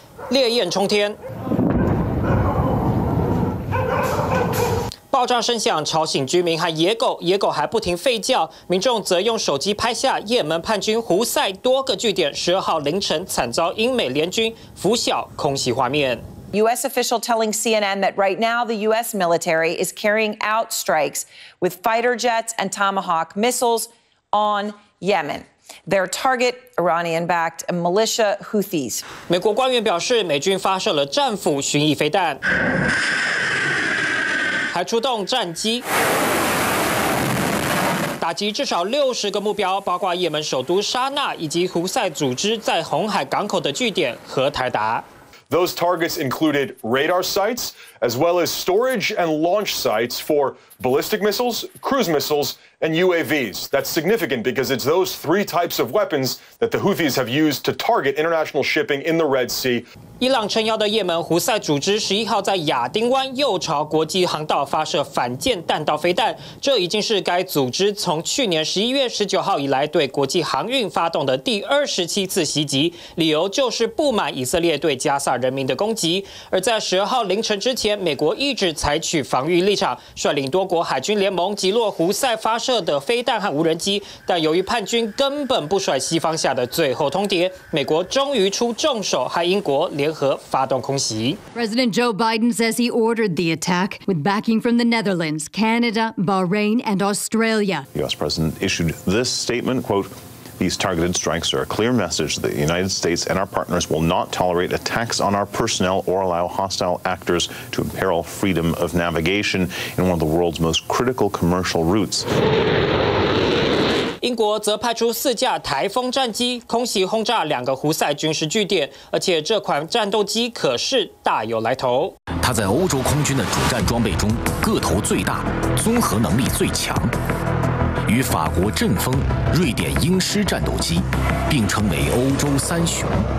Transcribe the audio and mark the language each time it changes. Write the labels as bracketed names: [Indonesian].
[Chinese] 烈焰冲天，爆炸声响吵醒居民和野狗，野狗还不停吠叫，民众则用手机拍下也门叛军胡塞多个据点12号凌晨惨遭英美联军拂晓空袭画面。 [English] U.S. official telling CNN that right now the U.S. military is carrying out strikes with fighter jets and Tomahawk missiles on Yemen. Their target, Iranian-backed militia Houthis. [Chinese] 美国官员表示，美军发射了战斧巡弋飞弹。还出动战机，打击至少60个目标，包括也门首都沙那以及胡塞组织在红海港口的据点和台达。 [English] Those targets included radar sites, as well as storage and launch sites for ballistic missiles, cruise missiles, and UAVs. That's significant because it's those three types of weapons that the Houthis have used to target international shipping in the Red Sea. [Chinese] 伊朗撑腰的也门胡塞组织11号在亚丁湾右朝国际航道发射反舰弹道飞弹，这已经是该组织从去年11月19号以来对国际航运发动的第27次袭击，理由就是不满以色列对加萨人民的攻击。而在12号凌晨之前，美国一直采取防御立场，率领多国海军联盟击落胡塞发射的飞弹和无人机，但由于叛军根本不甩西方下的最后通牒，美国终于出重手，和英国联合发动空袭。 [English] President Joe Biden says he ordered the attack with backing from the Netherlands, Canada, Bahrain, and Australia. The U.S. President issued this statement, quote,These targeted strikes are a clear message that the United States and our partners will not tolerate attacks on our personnel or allow hostile actors to imperil freedom of navigation in one of the world's most critical commercial routes. [Chinese] 英国则派出4架台风战机空袭轰炸两个胡塞军事据点，而且这款战斗机可是大有来头。它在欧洲空军的主战装备中个头最大，综合能力最强。与法国阵风、瑞典鹰狮战斗机并称为欧洲三雄。